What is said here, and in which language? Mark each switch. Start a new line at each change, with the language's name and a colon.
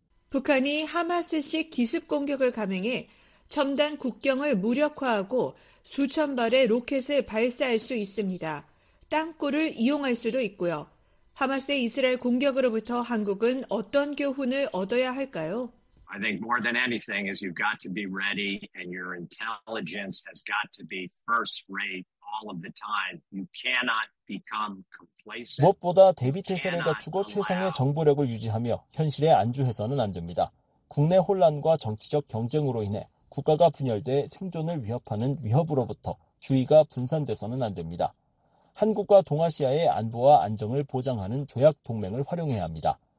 Korean: 북한이 하마스식 기습 공격을 감행해 첨단 국경을 무력화하고 수천 발의 로켓을 발사할 수 있습니다. 땅굴을 이용할 수도 있고요. 하마스의 이스라엘 공격으로부터 한국은 어떤 교훈을 얻어야 할까요?
English: I think more than anything is you've got to be ready and your intelligence has got to be first rate all of the time. You cannot become complacent.
Korean: 무엇보다 대비 태세를 갖추고 최상의 정보력을 유지하며 현실에 안주해서는 안 됩니다. 국내 혼란과 정치적 경쟁으로 인해 국가가 분열돼 생존을 위협하는 위협으로부터 주의가 분산돼서는 안 됩니다. 한국과 동아시아의 안보와 안정을 보장하는 조약 동맹을 활용해야 합니다.